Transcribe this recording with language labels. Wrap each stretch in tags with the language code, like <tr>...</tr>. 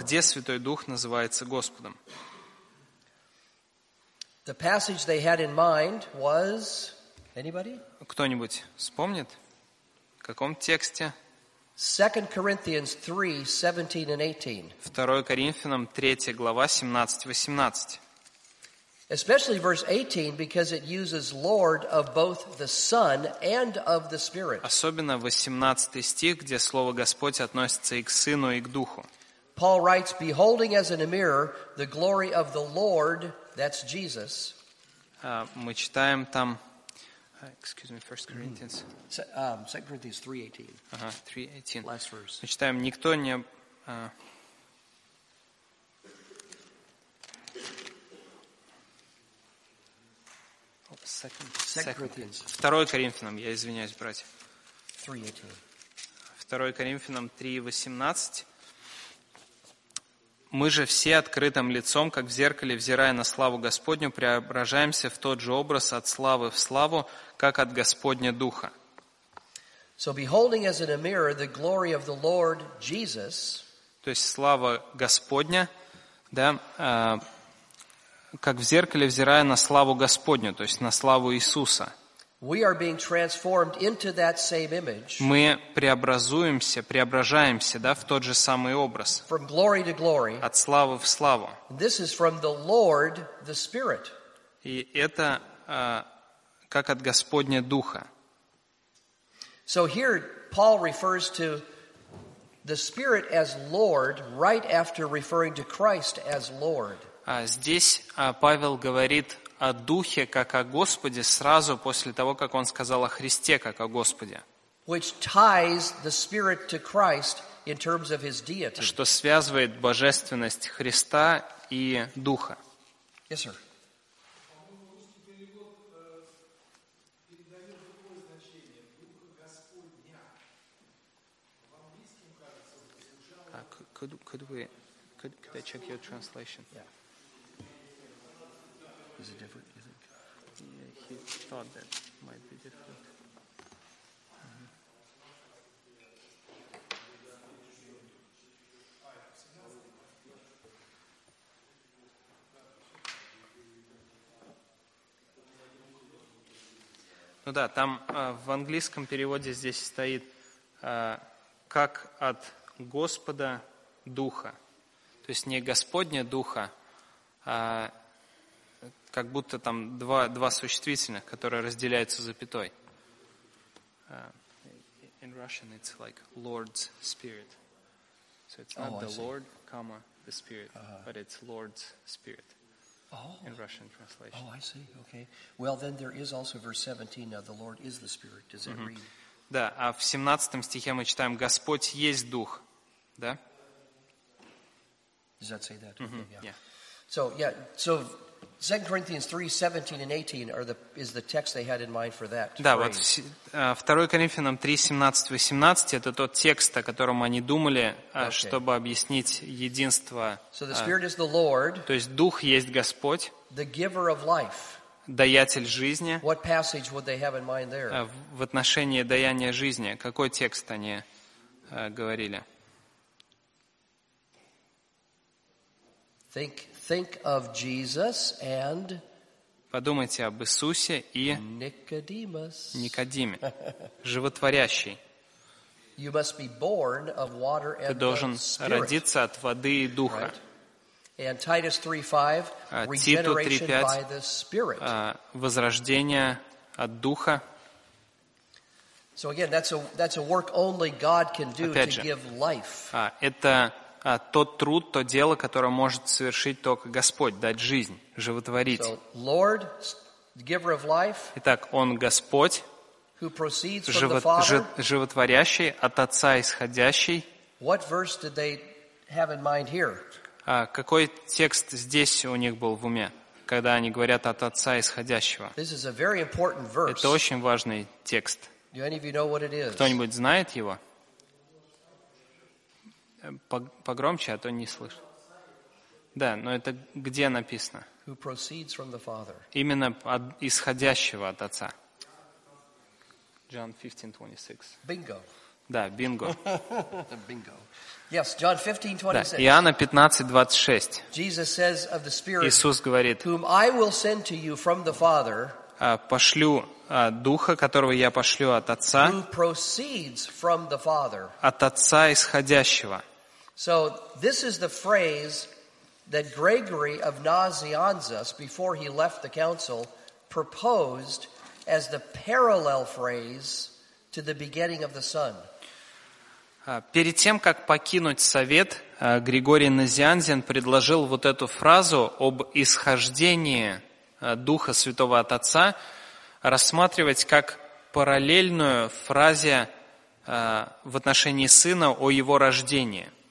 <ru>Где Святой Дух называется Господом?</ru> <en>The passage they had in mind was anybody?</en> <ru>Кто-нибудь вспомнит? каком тексте?</ru> <en>2 Corinthians 3:17 and 18.</en> <ru>2 Коринфянам 3 глава 17-18.</ru> <en>Especially verse 18 because it uses Lord of both the Son and of the Spirit.</en> <ru>Особенно 18 стих, где слово Господь относится и к Сыну, и к Духу.</ru> <en>Paul writes, "Beholding as in a mirror the glory of the Lord, that's Jesus."</en> <ru>Мы читаем там.</ru> <en>Excuse me, 1 Corinthians. 2 Corinthians 3:18.</en> <ru>Ага, 3:18.</ru> <en>Last verse.</en> <ru>Мы читаем, никто не.</ru> <en>Second Corinthians.</en> <ru>2 Коринфянам, я извиняюсь, братья. 3:18. 2 Коринфянам 3:18. Мы же все открытым лицом, как в зеркале, взирая на славу Господню, преображаемся в тот же образ от славы в славу, как от Господня Духа.</ru> <en>So beholding as in a mirror the glory of the Lord Jesus.</en> <ru>То есть слава Господня, да, как в зеркале, взирая на славу Господню, то есть на славу Иисуса.</ru> <en>We are being transformed into that same image.</en> <ru>Мы преобразуемся, преображаемся, да, в тот же самый образ.</ru> <en>From glory to glory.</en> <ru>От славы в славу.</ru> <en>This is from the Lord, the Spirit.</en> <ru>И это как от Господня Духа.</ru> <en>So here Paul refers to the Spirit as Lord right after referring to Christ as Lord.</en> <ru>А здесь Павел говорит о Духе, как о Господе, сразу после того, как он сказал о Христе, как о Господе.</ru> <en>Which ties the Spirit to Christ in terms of his deity.</en> <ru>Что связывает божественность Христа и Духа.</ru> <en>Yes, sir. Could I check your translation? Yeah. Is it different? Is it? Yeah, he thought that might be different.</en> <ru>Ну да, там в английском переводе здесь стоит как от Господа Духа. То есть не Господня Духа, а как будто там два существительных, которые разделяются запятой.</ru> <en>In Russian it's like Lord's Spirit. So it's not the Lord, comma, the Spirit, but it's Lord's Spirit. In Russian translation. Oh, I see. Okay. Well, then there is also verse 17, now the Lord is the Spirit. Does it read?</en> <ru>Да, а в 17 стихе мы читаем, Господь есть Дух. Да?</ru> <en>Does that say that? Mm-hmm. Yeah. So 2 Corinthians 3:17 and 18 are is the text they had in mind for that.</en> <ru>Да, вот 2 Коринфянам 3:17-18 это тот текст, о котором они думали, чтобы объяснить единство.</ru> <en>So the Spirit is the Lord.</en> <ru>То есть Дух есть Господь.</ru> <en>The giver of life.</en> <ru>Даятель жизни.</ru> <en>What passage would they have in mind there?</en> <ru>В отношении даяния жизни, какой текст они говорили?</ru> <en>Think of Jesus and</en> <ru>подумайте об Иисусе и Никодимус. Никодиме, животворящий.</ru> <en>You must be born of water and</en> <ru>ты должен родиться от воды и духа.</ru> <en>And Titus 3:5, regeneration by the Spirit.</en> <ru>Возрождение от духа.</ru> <en>So again, that's a work only God can do to give life.</en> <ru>Это тот труд, то дело, которое может совершить только Господь, дать жизнь, животворить.</ru> <en>So, Lord, giver of life,</en> <ru>итак, Он Господь,</ru> <en>who proceeds from</en> <ru>животворящий, от Отца исходящий.</ru> <en>What verse did they have in mind here?</en> <ru>Какой текст здесь у них был в уме, когда они говорят от Отца исходящего?</ru> <en>This is a very important verse.</en> <ru>Это очень важный текст.</ru> <en>Do any of you know what it is?</en> <ru>Кто-нибудь знает его? Погромче, а то не слышно. Да, но это где написано?</ru> <en>Who proceeds from the Father.</en> <ru>Именно от исходящего от Отца.</ru> <en>John 15:26. Bingo.</en> <ru>Да, бинго.</ru> <en>Bingo. Yes, John 15:26.</en> <ru>Да, Иоанна 15:26.</ru> <en>Jesus says of the Spirit,</en> <ru>Иисус говорит,</ru> <en>whom I will send to you from the Father,</en> <ru>пошлю Духа, которого я пошлю от Отца,</ru> <en>who proceeds from the Father.</en> <ru>От Отца исходящего.</ru> <en>So this is the phrase that Gregory of Nazianzus, before he left the council, proposed as the parallel phrase to the beginning of the Son.</en> <ru>Перед тем, как покинуть совет, Григорий Назианзен предложил вот эту фразу об исхождении Духа Святого от Отца рассматривать как параллельную фразе в отношении Сына о Его рождении.</ru>